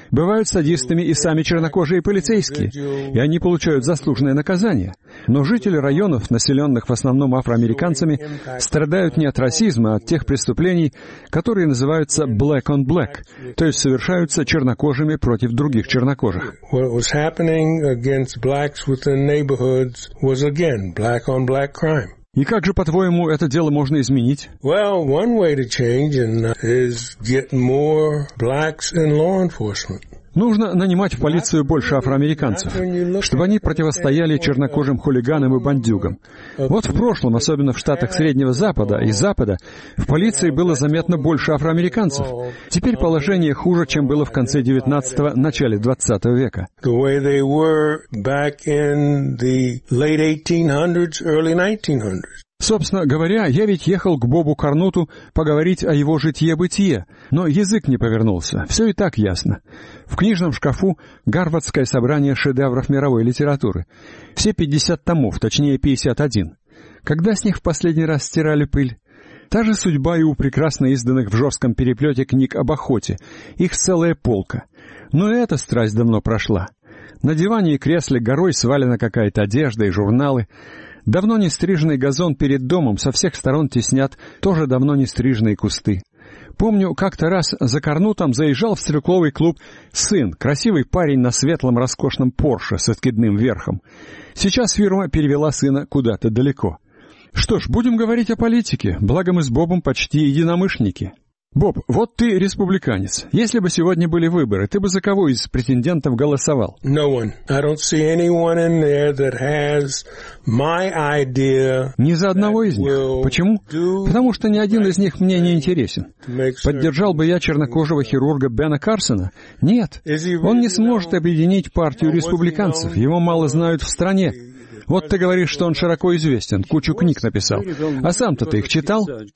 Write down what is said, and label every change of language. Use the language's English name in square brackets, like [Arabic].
[Russian] Бывают садистами и сами чернокожие полицейские, и они получают заслуженное наказание. Но жители районов, населенных в основном афроамериканцами, страдают не от расизма, а от тех преступлений, которые называются [English] «black on black», [Russian] то есть совершаются чернокожими против других чернокожих. [English] What was happening against blacks within neighborhoods was again black on black crime. [Russian] И как же, по-твоему, это дело можно изменить? [English] Well, one way to change is get more blacks in law enforcement. [Russian] Нужно нанимать в полицию больше афроамериканцев, чтобы они противостояли чернокожим хулиганам и бандюгам. Вот в прошлом, особенно в штатах Среднего Запада и Запада, в полиции было заметно больше афроамериканцев. Теперь положение хуже, чем было в конце 19-го, начале 20-го века. [English] The way they were back in the late 1800s, early 1900s. [Russian] Собственно говоря, я ведь ехал к Бобу Карнуту поговорить о его житье-бытие, но язык не повернулся, все и так ясно. В книжном шкафу Гарвардское собрание шедевров мировой литературы. Все 50 томов, точнее 51. Когда с них в последний раз стирали пыль? Та же судьба и у прекрасно изданных в жестком переплете книг об охоте. Их целая полка. Но и эта страсть давно прошла. На диване и кресле горой свалена какая-то одежда и журналы. Давно не стриженный газон перед домом со всех сторон теснят тоже давно не стриженные кусты. Помню, как-то раз за Карнутом заезжал в стрекловый клуб сын, красивый парень на светлом роскошном Порше с откидным верхом. Сейчас фирма перевела сына куда-то далеко. Что ж, будем говорить о политике, благо мы с Бобом почти единомышленники. Боб, вот ты республиканец. Если бы сегодня были выборы, ты бы за кого из претендентов голосовал? [English] No one. I don't see anyone in there that has my idea. [Russian] Ни за одного из них. Почему? Потому что ни один из них мне не интересен. Поддержал бы я чернокожего хирурга Бена Карсона? Нет. Он не сможет объединить партию республиканцев. Его мало знают в стране. Вот ты говоришь, что он широко известен, кучу книг написал. А сам-то ты их читал?